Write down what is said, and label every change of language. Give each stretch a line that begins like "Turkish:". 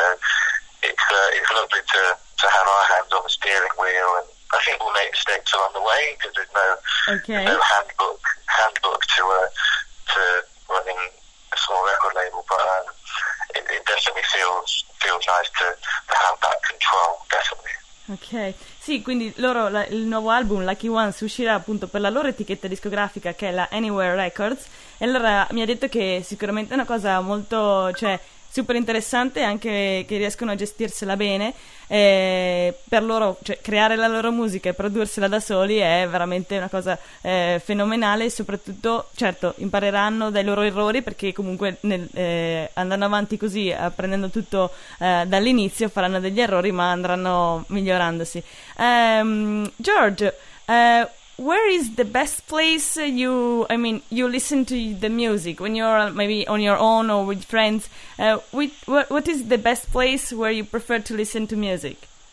English: So it's lovely to have our hands on the steering wheel, and I think we'll make mistakes along the way because there's no handbook to running a small record label. But it definitely feels nice to have that control, definitely.
Italian: Ok, sì, quindi loro, il nuovo album Lucky Ones uscirà appunto per la loro etichetta discografica che è la Anywhere Records, e allora mi ha detto che sicuramente è una cosa molto, cioè, super interessante, anche che riescono a gestirsela bene, per loro, cioè, creare la loro musica e prodursela da soli è veramente una cosa fenomenale, e soprattutto, certo, impareranno dai loro errori, perché comunque andando avanti così, apprendendo tutto dall'inizio, faranno degli errori, ma andranno migliorandosi.
English: George, where is the best place you listen to the music when you're maybe on your own or with friends? What is the best place where you prefer to listen to music?